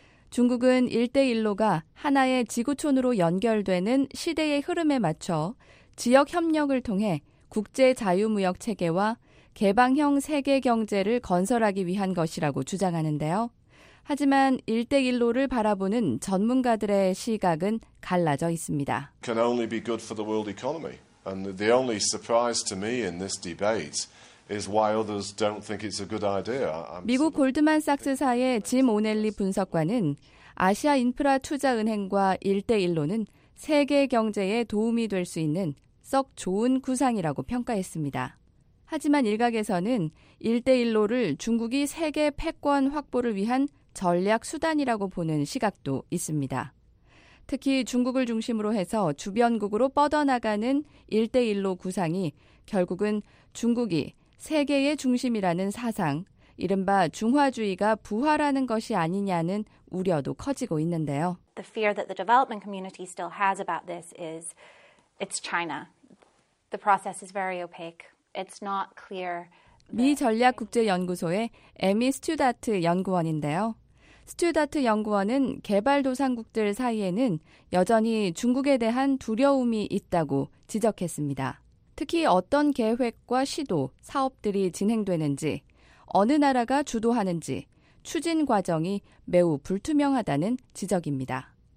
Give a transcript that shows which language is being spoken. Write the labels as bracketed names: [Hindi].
[Korean] 중국은 1대1로가 하나의 지구촌으로 연결되는 시대의 흐름에 맞춰 지역 협력을 통해 국제 자유무역 체계와 개방형 세계 경제를 건설하기 위한 것이라고 주장하는데요. 하지만 일대일로를 바라보는 전문가들의 시각은 갈라져 있습니다. [English] Can only be good for the world economy. And the only surprise to me in this debate is why others don't think it's a good idea. [Korean] 미국 골드만삭스사의 짐 오넬리 분석관은 아시아 인프라 투자 은행과 일대일로는 세계 경제에 도움이 될 수 있는 썩 좋은 구상이라고 평가했습니다. 하지만 일각에서는 일대일로를 중국이 세계 패권 확보를 위한 전략 수단이라고 보는 시각도 있습니다. 특히 중국을 중심으로 해서 주변국으로 뻗어나가는 일대일로 구상이 결국은 중국이 세계의 중심이라는 사상, 이른바 중화주의가 부활하는 것이 아니냐는 우려도 커지고 있는데요. [English] The fear that the development community still has about this is it's China. The process is very opaque. It's not clear. [Korean] 미 전략 국제 연구소의 에미 스튜다트 연구원인데요. 스튜다트 연구원은 개발 도상국들 사이에는 여전히 중국에 대한 두려움이 있다고 지적했습니다. 특히 어떤 계획과 시도, 사업들이 진행되는지, 어느 나라가 주도하는지 추진 과정이 매우 불투명하다는 지적입니다.